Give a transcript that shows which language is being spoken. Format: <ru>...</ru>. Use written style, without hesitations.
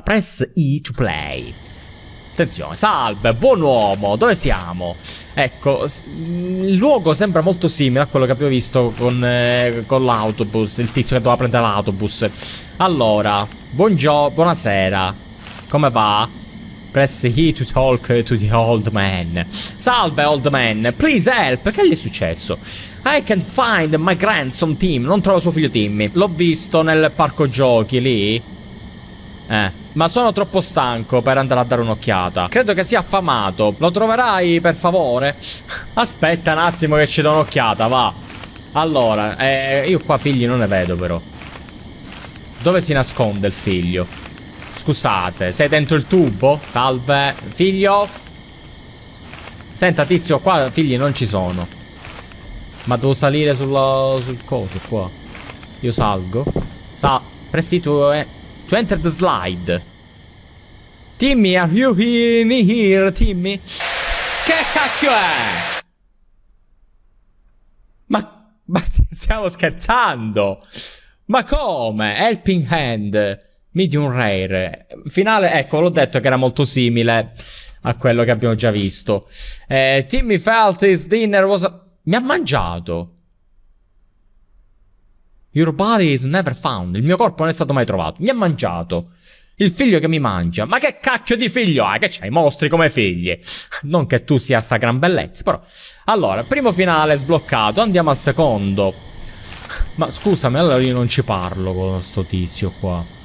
<en>Press E to play.</en> <it>Attenzione, salve, buon uomo, dove siamo? Ecco, il luogo sembra molto simile a quello che abbiamo visto con l'autobus, il tizio che doveva prendere l'autobus. Allora, buongiorno, buonasera, come va?</it> <en>Press E to talk to the old man.</en> <it>Salve,</it> <en>old man, please help,</en> <it>che gli è successo?</it> <en>I can't find my grandson Tim,</en> <it>non trovo suo figlio Timmy. L'ho visto nel parco giochi, lì. Ma sono troppo stanco per andare a dare un'occhiata. Credo che sia affamato. Lo troverai, per favore? Aspetta un attimo che ci do un'occhiata, va. Allora, io qua figli non ne vedo però. Dove si nasconde il figlio? Scusate, sei dentro il tubo? Salve, figlio? Senta, tizio, qua figli non ci sono. Ma devo salire sul coso qua. Io salgo. Presti tu,</it> <en>to enter the slide. Timmy, are you here, Timmy?</en> <it>Che cacchio è? Ma stiamo scherzando? Ma come?</it> <en>Helping hand, medium rare.</en> <it>Finale, ecco, l'ho detto che era molto simile a quello che abbiamo già visto.</it> <en>Timmy felt his dinner was...</en> <it>Mi ha mangiato.</it> <en>Your body is never found.</en> <it>Il mio corpo non è stato mai trovato. Mi ha mangiato. Il figlio che mi mangia. Ma che cacchio di figlio hai? Che c'hai? Mostri come figli. Non che tu sia sta gran bellezza, però. Allora, primo finale sbloccato. Andiamo al secondo. Ma scusami, allora io non ci parlo con sto tizio qua.</it>